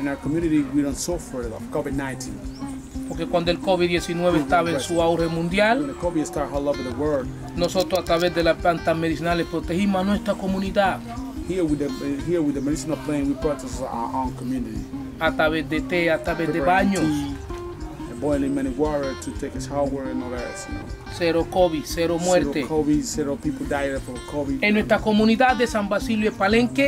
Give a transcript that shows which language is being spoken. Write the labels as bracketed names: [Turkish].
[English] In our community, we don't suffer of COVID-19. [Spanish] Porque cuando el COVID-19 estaba en su auge mundial, [English] when the COVID started all over the world, [Spanish] nosotros a través de las plantas medicinales protegimos a nuestra comunidad. [English] Here with the medicinal plant, we protect our own community. [Spanish] A través de té, a través de baños. [English] Boiling many water to take a shower and all that, you know. [Spanish] Cero COVID, cero muerte. [English] Zero COVID, zero people died from COVID. [Spanish] En nuestra comunidad de San Basilio y Palenque,